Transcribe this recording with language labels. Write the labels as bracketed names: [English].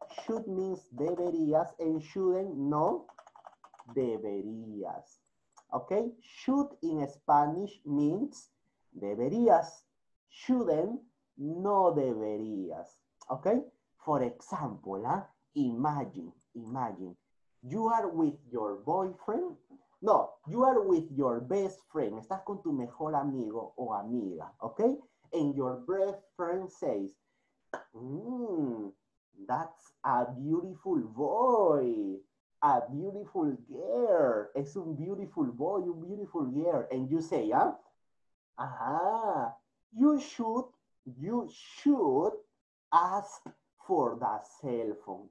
[English] Should means deberías. And shouldn't, [Spanish] no, deberías. [English] Okay? Should in Spanish means deberías. Shouldn't, [Spanish] no deberías. [English] Okay? For example, imagine, you are with your boyfriend. No, you are with your best friend. [Spanish] Estás con tu mejor amigo o amiga, okay? [English] And your best friend says, that's a beautiful boy, a beautiful girl. [Spanish] Es un [English] beautiful boy, un beautiful girl. And you say, you should ask for the cell phone.